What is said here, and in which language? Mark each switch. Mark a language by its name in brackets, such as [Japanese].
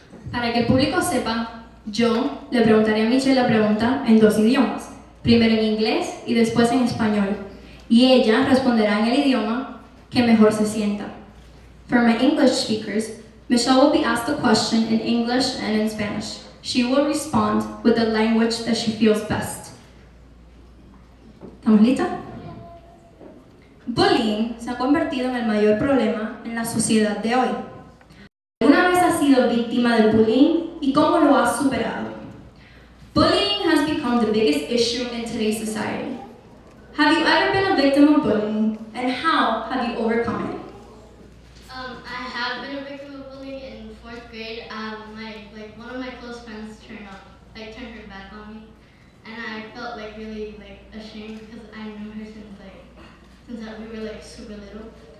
[Spanish] Para que el público sepa, yo le preguntaré a Michelle la pregunta en dos idiomas. Primero en inglés y después en español. Y ella responderá en el idioma que mejor se sienta. [English] For my English speakers, Michelle will be asked the question in English and in Spanish. She will respond with the language that she feels best. [Spanish] ¿Estamos listas? Bullying se ha convertido en el mayor problema en la sociedad de hoy. ¿Alguna vez has sido víctima del bullying y cómo lo has superado? [English] Bullying has become the biggest issue in today's society. Have you ever been a victim of bullying, and how have you overcome it? I have been a victim of bullying in fourth grade. One of my close friends turned her back on me, and I felt really ashamed because I knew her since we were super little.